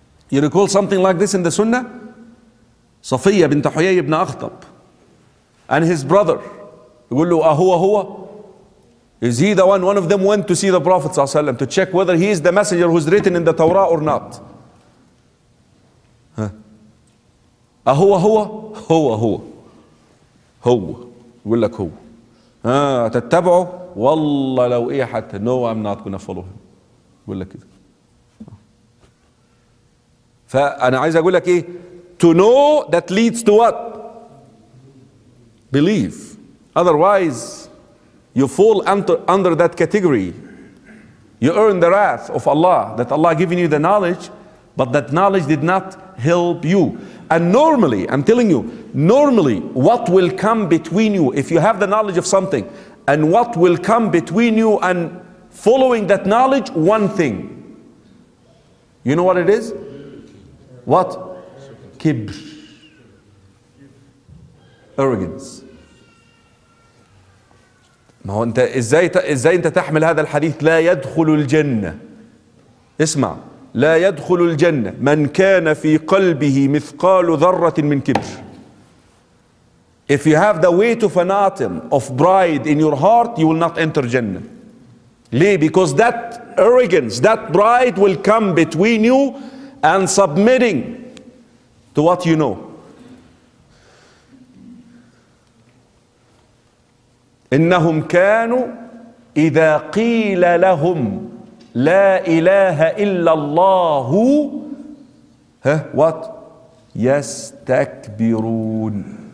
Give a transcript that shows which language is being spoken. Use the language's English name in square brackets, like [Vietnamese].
[English] You recall something like this in the Sunnah? Safiya bint Huyay ibn Akhtab and his brother. [Arabic] يقول له أهو هو. [English] Is he the one? One of them went to see the Prophet [Arabic] صلى الله عليه وسلم [English] to check whether he is the messenger who's written in the Torah or not. [Arabic] أهو هو هو هو هو يقول لك هو تتبعه والله لو إيه حتى [English] no I'm not gonna follow him [Arabic] يقول لك كده. فأنا عايز أقول لك إيه [English] to know that leads to what believe otherwise you fall under that category you earn the wrath of Allah that Allah giving you the knowledge but that knowledge did not help you. And normally, I'm telling you, normally what will come between you, if you have the knowledge of something, and what will come between you and following that knowledge, one thing. You know what it is? What? Kibr. Arrogance. [Arabic] ما هو انت ازاي انت تحمل هذا الحديث لا يدخل الجنة. اسمع. لا يدخل الجنة من كان في قلبه مثقال ذرة من كبر. [English] If you have the weight of an atom of pride in your heart, you will not enter Jannah. Why? Because that arrogance, that pride will come between you and submitting to what you know. [Arabic] إنهم كانوا إذا قيل لهم لا إله إلا الله ها what يستكبرون.